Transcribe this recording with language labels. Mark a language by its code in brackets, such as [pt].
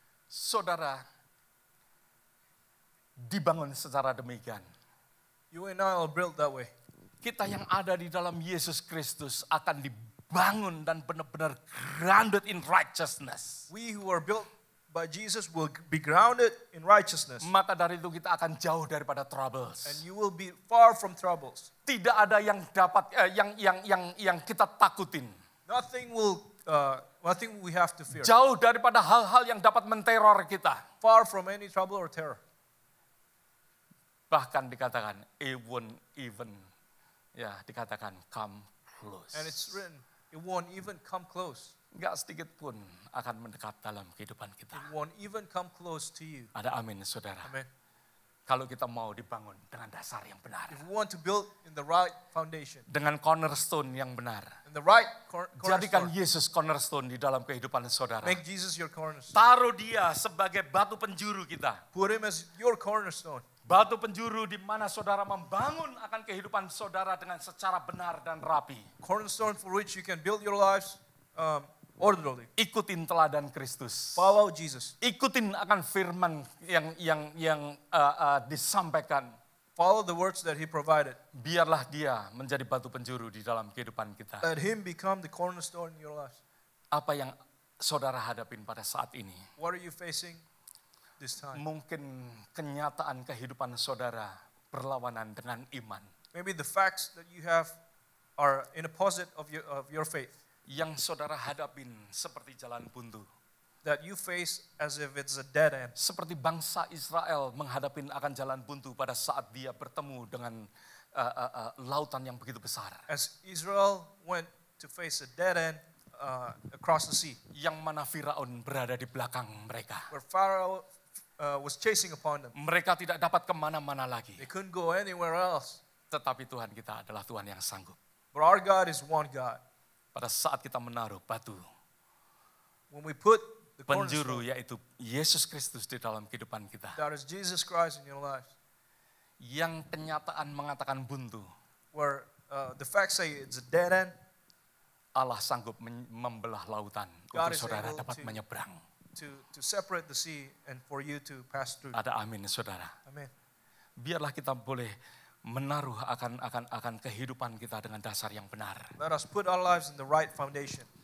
[id] Saudara, dibangun secara demikian. [en] You and I are built that way. [id] Kita yang ada di dalam Yesus Kristus akan dibangun dan benar-benar [en] grounded in righteousness. We who are built by Jesus will be grounded in righteousness. [id] Maka dari itu kita akan jauh daripada troubles. [en] And you will be far from troubles. [id] Tidak ada yang dapat yang kita takutin. [en] Nothing will nothing we have to fear. [id] Jauh daripada hal-hal yang dapat menteror kita. [en] Far from any trouble or terror. [id] Bahkan dikatakan [en] it won't even [id] dikatakan [en] come close. And it's written it won't even come close. [id] Enggak sedikit pun akan mendekat dalam kehidupan kita. [en] It won't even come close to you. [id] Ada amin, saudara. Amen. Kalau kita mau dibangun dengan dasar yang benar. [en] If we want to build in the right foundation. [id] Dengan cornerstone yang benar. [en] In the right cornerstone. [id] Jadikan Yesus cornerstone di dalam kehidupan saudara. [en] Make Jesus your cornerstone. [id] Taruh dia sebagai batu penjuru kita. [en] Put him as your cornerstone. [id] Batu penjuru di mana saudara membangun akan kehidupan saudara dengan secara benar dan rapi. [en] Cornerstone for which you can build your lives orderly. [id] Ikutin teladan Kristus. [en] Follow Jesus. [id] Ikutin akan firman yang disampaikan. [en] Follow the words that he provided. [id] Biarlah dia menjadi batu penjuru di dalam kehidupan kita. [en] Let him become the cornerstone in your life. [id] Apa yang saudara hadapin pada saat ini? [en] What are you facing this time? [id] Mungkin kenyataan kehidupan saudara berlawanan dengan iman. [en] Maybe the facts that you have are in opposite of your faith. [id] Yang saudara hadapin seperti jalan buntu. [en] That you face as if it's a dead end. [id] Seperti bangsa Israel menghadapin akan jalan buntu pada saat dia bertemu dengan lautan yang begitu besar. [en] As Israel went to face a dead end across the sea. [id] Yang mana Firaun berada di belakang mereka. [en] Where Pharaoh was chasing upon them. [id] Mereka tidak dapat kemana-mana lagi. [en] They couldn't go anywhere else. [id] Tetapi Tuhan kita adalah Tuhan yang sanggup. [en] But our God is one God. [id] Pada saat kita menaruh batu, [en] when we put the [id] penjuru yaitu Yesus Kristus di dalam kehidupan kita, [en] that is Jesus Christ in your life, [id] yang kenyataan mengatakan buntu, [en] where the facts say it's a dead end, [id] Allah sanggup membelah lautan untuk saudara dapat menyeberang. [en] to separate the sea and for you to pass through. [id] Ada amin, saudara. Amin. Biarlah kita boleh menaruh akan kehidupan kita dengan dasar yang benar. [en] Let us put our lives in the right foundation.